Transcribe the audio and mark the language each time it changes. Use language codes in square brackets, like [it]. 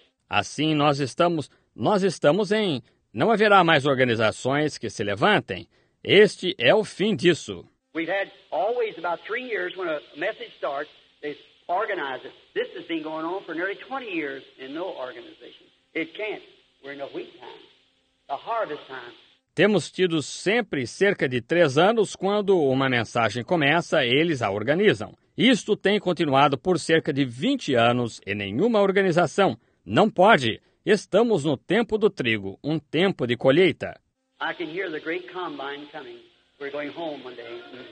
[pt] Assim nós estamos em, não haverá mais organizações que se levantem. Este é o fim disso. [en] We've had always about 3 years when a message starts, they organize it. This has been going on for nearly 20 years and no organization. It can't. We're in a wheat time. The harvest time. [pt] Temos tido sempre cerca de 3 anos quando uma mensagem começa, eles a organizam. Isto tem continuado por cerca de 20 anos e nenhuma organização. Não pode. Estamos no tempo do trigo, um tempo de colheita. [en] I can hear the great combine coming. We're going home one day.